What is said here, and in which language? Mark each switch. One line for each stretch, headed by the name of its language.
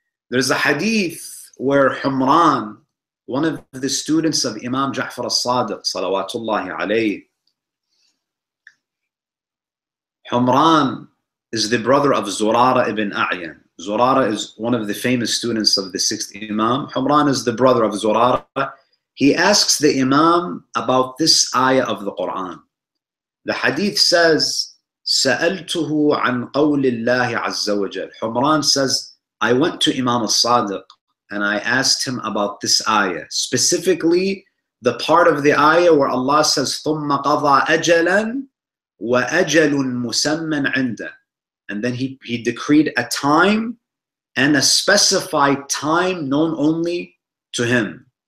English: There's a hadith where Humran, one of the students of Imam Ja'far al-Sadiq, salawatullahi alayhi, Humran is the brother of Zurara ibn A'yan. Zurara is one of the famous students of the sixth Imam. Humran is the brother of Zurara. He asks the Imam about this ayah of the Quran. The hadith says,
Arabic: سَأَلْتُهُ عَنْ قَوْلِ اللَّهِ عَزَّ وَجَلَّ.
English: Humran says, I went to Imam al-Sadiq and I asked him about this ayah, specifically the part of the ayah where Allah says,
Arabic: ثُمَّ قَضَى أَجَلًا وَأَجَلٌ مُسَمَّنْ عِنْدَهُ.
English: And then he decreed a time and a specified time known only to him.